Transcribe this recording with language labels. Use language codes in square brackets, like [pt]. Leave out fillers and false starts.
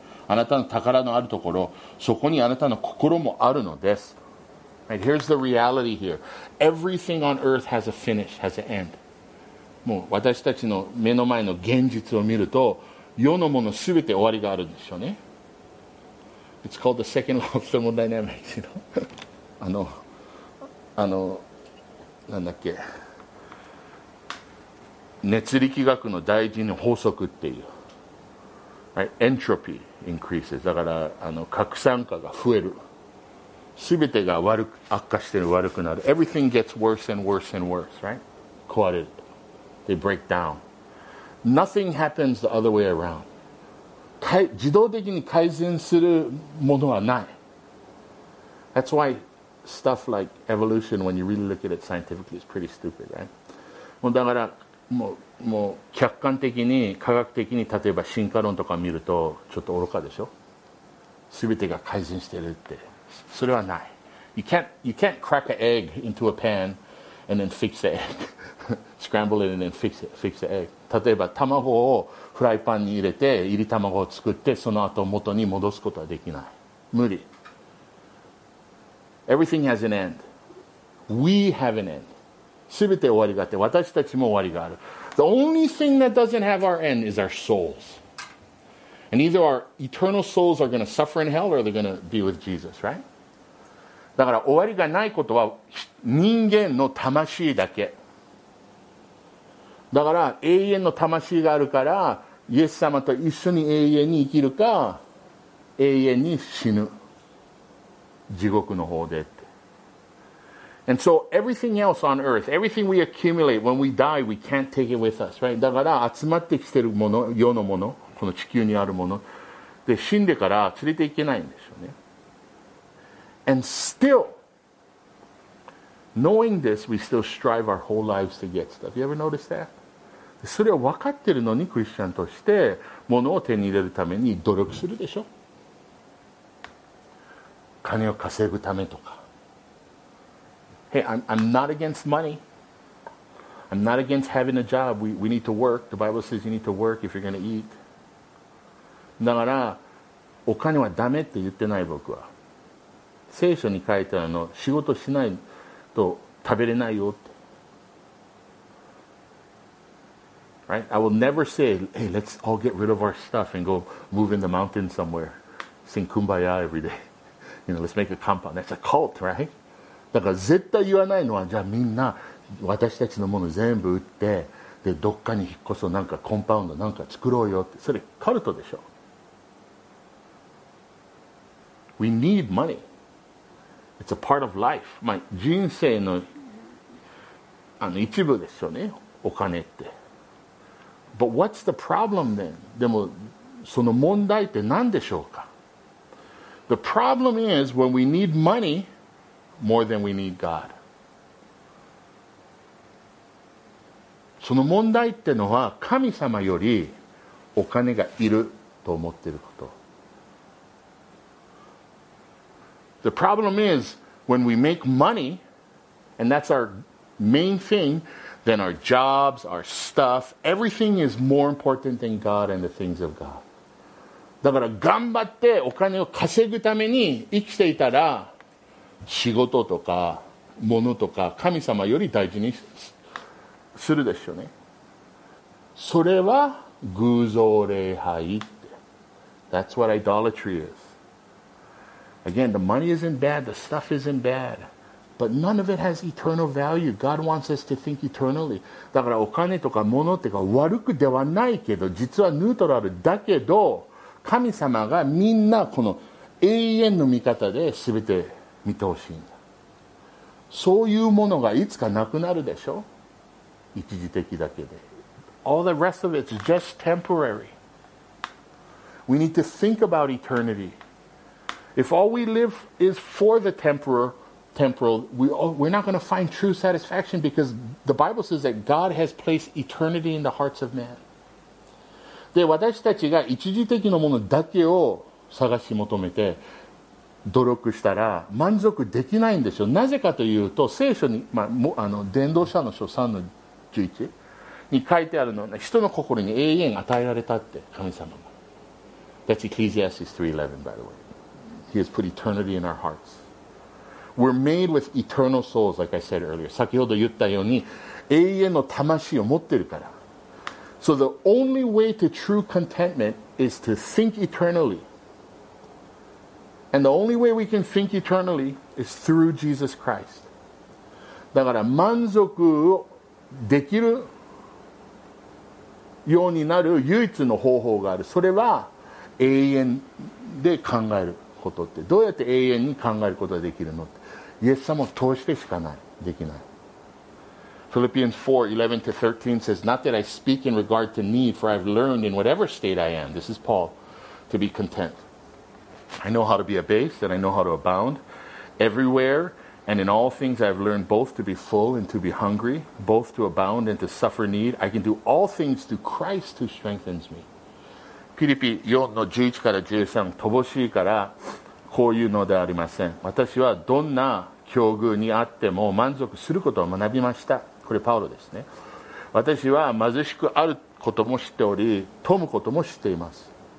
[ja] あなたの宝のあるところ、そこにあなたの心もあるのです。 [en] Right, here's the reality here. Everything on earth has a finish, has an end. [ja] もう私たちの目の前の現実を見ると、世のものすべて終わりがあるんでしょうね。 [en] It's called the second law of thermodynamics, you know? [ja] なんだっけ。熱力学の第一の法則っていう。 [en] Right, entropy. Increases. [ja] だから拡散化が増える、全てが悪化して悪くなる。 [en] Everything gets worse and worse and worse, right? [ja] 壊れる。 [en] They break down. Nothing happens the other way around. [ja] 自動的に改善するものはない。 [en] That's why stuff like evolution, when you really look at it scientifically, is pretty stupid, right? [ja] もうだからもう客観的に科学的に例えば進化論とか見るとちょっと愚かでしょ。全てが改善してるってそれはない。 [en] You can't crack an egg into a pan and then fix the egg scramble it and then fix the egg。 [ja] 例えば卵をフライパンに入れて炒り卵を作ってその後元に戻すことはできない、無理。 [en] Everything has an end. We have an end. [ja] 全て終わりがあって私たちも終わりがある。 [en] The only thing that doesn't have our end is our souls. And either our eternal souls are going to suffer in hell or they're going to be with Jesus, right? [ja] だから終わりがないことは人間の魂だけ。だから永遠の魂があるから、イエス様と一緒に永遠に生きるか、永遠に死ぬ。地獄の方で。 [en] And so everything else on earth, everything we accumulate, when we die, we can't take it with us, right? [ja] だから集まってきてるもの、世のもの、この地球にあるもので死んでから連れていけないんでしょうね。 [en] And still, knowing this, we still strive our whole lives to get stuff. You ever notice that? [ja] でそれを分かってるのにクリスチャンとしてものを手に入れるために努力するでしょ。金を稼ぐためとか。 [en] Hey, I'm not against money. I'm not against having a job. We need to work. The Bible says you need to work if you're going to eat. [ja] だから、お金はダメって言ってない僕は。聖書に書いてあるの、仕事しないと食べれないよって。 [en] Right? I will never say, hey, let's all get rid of our stuff and go move in the mountains somewhere. Sing Kumbaya every day. You know, let's make a compound. That's a cult, right? [ja] だから絶対言わないのは、じゃあみんな私たちのもの全部売ってでどっかに引っ越そう、なんかコンパウンドなんか作ろうよって、それカルトでしょ。 [en] We need money. It's a part of life. [ja] まあ人生の、一部ですよね、お金って。 [en] But what's the problem then? [ja] でもその問題って何でしょうか。 [en] The problem is when we need moneyMore than we need God. [ja] その問題ってのは神様よりお金がいると思っていること。 [en] The problem is when we make money and that's our main thing, then our jobs, our stuff, everything is more important than God and the things of God. [ja] だから頑張ってお金を稼ぐために生きていたら仕事とか物とか神様より大事にするでしょうね。それは偶像礼拝って。 [en] That's what idolatry is. Again, the money isn't bad, the stuff isn't bad, but none of it has eternal value. God wants us to think eternally. [ja] だからお金とか物っていうか悪くではないけど、実はニュートラルだけど、神様がみんなこの永遠の見方で全て見てほしいんだ。そういうものがいつかなくなるでしょ。一時的だけで。 [en] All the rest of it's just temporary. We need to think about eternity. If all we live is for the temporal, we're not going to find true satisfaction because the Bible says that God has placed eternity in the hearts of man. [ja] で、私たちが一時的なものだけを探し求めて努力したら満足できないんですよ。なぜかというと聖書に、まあ、伝道者の書3の11に書いてあるのは、人の心に永遠与えられたって、神様が。 [en] That's Ecclesiastes 3:11 by the way. He has put eternity in our hearts. We're made with eternal souls like I said earlier. [ja] 先ほど言ったように永遠の魂を持ってるから。 [en] So the only way to true contentment is to think eternallyAnd the only way we can think eternally is through Jesus Christ. [ja] だから満足できるようになる唯一の方法がある。それは永遠で考えることって。どうやって永遠に考えることができるのって。イエス様を通してしかない。できない。 [en] Philippians 4:11-13 says, Not that I speak in regard to need, for I've learned in whatever state I am, this is Paul, to be content.I know how to be abased and I know how to abound. Everywhere And in all things I've learned both to be full and to be hungry, both to abound and to suffer need. I can do all things through Christ who strengthens me. [ja] フィリピ4の11から13、乏しいからこういうのでありません。私はどんな境遇にあっても満足することを学びました。これパウロですね。私は貧しくあることも知っており、富むことも知っています。